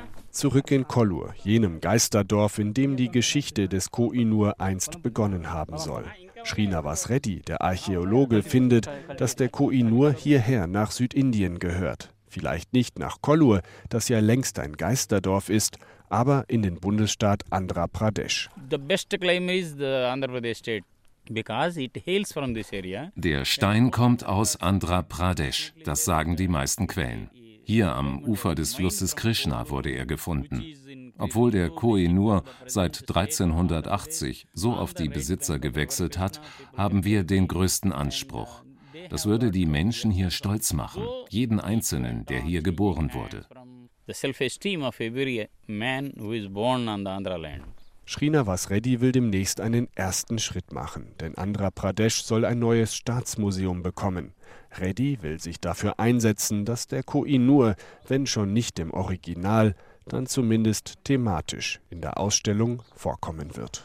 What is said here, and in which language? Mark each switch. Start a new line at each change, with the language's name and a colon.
German: Zurück in Kollur, jenem Geisterdorf, in dem die Geschichte des Koh-i-Noor einst begonnen haben soll. Srinivas Reddy, der Archäologe, findet, dass der Koh-i-Noor hierher nach Südindien gehört. Vielleicht nicht nach Kollur, das ja längst ein Geisterdorf ist, aber in den Bundesstaat Andhra Pradesh.
English: The best claim is the Andhra Pradesh state. Because it hails from this area.
German: Der Stein kommt aus Andhra Pradesh, das sagen die meisten Quellen. Hier am Ufer des Flusses Krishna wurde er gefunden. Obwohl der Koh-i-Noor seit 1380 so oft die Besitzer gewechselt hat, haben wir den größten Anspruch. Das würde die Menschen hier stolz machen, jeden Einzelnen, der hier geboren wurde.
English: The self-esteem of every man who is born on the Andhra land.
German: Srinivas Reddy will demnächst einen ersten Schritt machen, denn Andhra Pradesh soll ein neues Staatsmuseum bekommen. Reddy will sich dafür einsetzen, dass der Koh-i-Noor, wenn schon nicht im Original, dann zumindest thematisch in der Ausstellung vorkommen wird.